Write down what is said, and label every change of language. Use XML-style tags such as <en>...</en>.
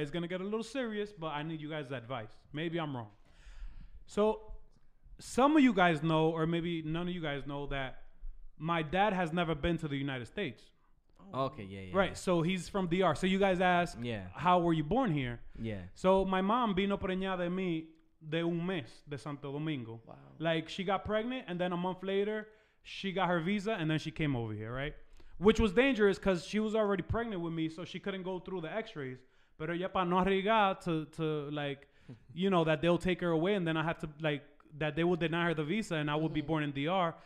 <en>It's going to get a little serious, but I need you guys' advice. Maybe I'm wrong. So some of you guys know, or maybe none of you guys know, that my dad has never been to the United States. Okay, yeah. Right, so he's from DR. So you guys ask, how were you born here? Yeah. So my mom</en> <es>vino preñada de mí de un mes de Santo Domingo.</es> <en>Wow. Like, she got pregnant, and then a month later, she got her visa, and then she came over here, right? Which was dangerous because she was already pregnant with me, so she couldn't go through the x-rays.</en> <es>Pero ya para no arriesgar</es> <en>to like, you know, that they'll take her away and then I have to, like, that they will deny her the visa and I will be born in DR.</en>